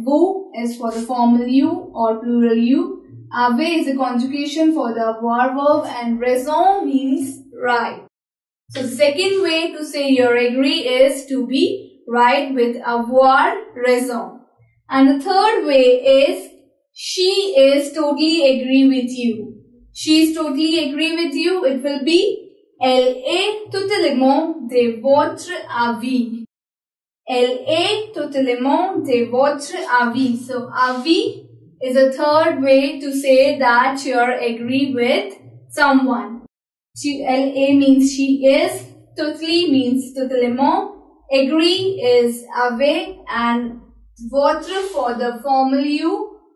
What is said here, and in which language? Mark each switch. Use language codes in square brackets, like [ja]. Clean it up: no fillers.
[en] Vous is for the formal you or plural you. Avez is a conjugation for the avoir verb and raison means right. So second way to say you're agree is to be right with avoir raison. And the third way is she is totally agree with you. She is totally agree with you. [fr] It will be elle est totalement de votre avis. Elle est totalement de votre avis. [en] So, avis is a third way to say that you're agree with someone. Elle est means she is. Totally means totalement. Agree is avec and votre for the formal you.